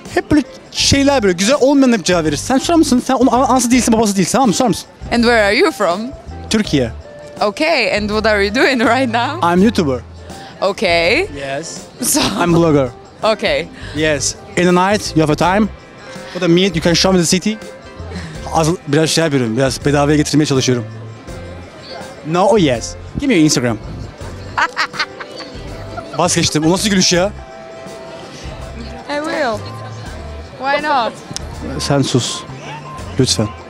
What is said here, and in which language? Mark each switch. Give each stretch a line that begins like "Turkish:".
Turkish: Hep böyle şeyler böyle güzel olmayan hep cevap verir. Sen susar mısın? Sen onun anası değilsin, babası değilsin. Tamam mı? Susar mısın?
English: And where are you from?
Turkish: Türkiye.
English: Okay, and what are you doing right now? I'm YouTuber. Okay. Yes. So I'm a blogger. Okay. Yes. In the night, you have a time. For the meet, you can show me the city.
Turkish: Biraz şey yapıyorum, biraz bedavaya getirmeye çalışıyorum.
English: No or yes? Give me your Instagram.
Turkish: Bas geçtim. O nasıl gülüş ya?
English: I will. Why not?
Turkish: Sen sus. Lütfen.